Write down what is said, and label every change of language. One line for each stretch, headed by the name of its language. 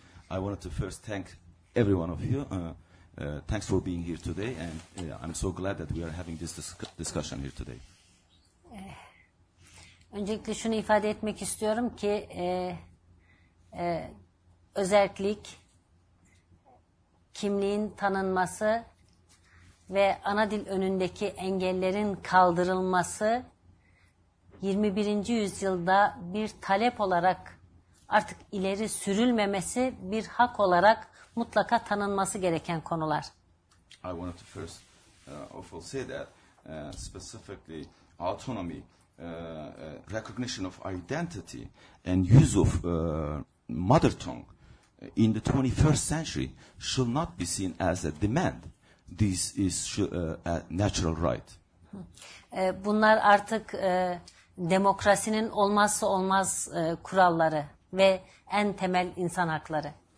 English: I wanted to first thank every one of you. Thanks for being here today, and I'm so glad that we are having this discussion here today.
Turkish: Öncelikle şunu ifade etmek istiyorum ki özellik, kimliğin tanınması ve ana dil önündeki engellerin kaldırılması 21. yüzyılda bir talep olarak artık ileri sürülmemesi bir hak olarak mutlaka tanınması gereken konular.
English: I wanted to first of all say that specifically autonomy, recognition of identity and use of mother tongue in the 21st century should not be seen as a demand. This is a natural right.
Turkish: Bunlar artık demokrasinin olmazsa olmaz kuralları ve en temel insan hakları.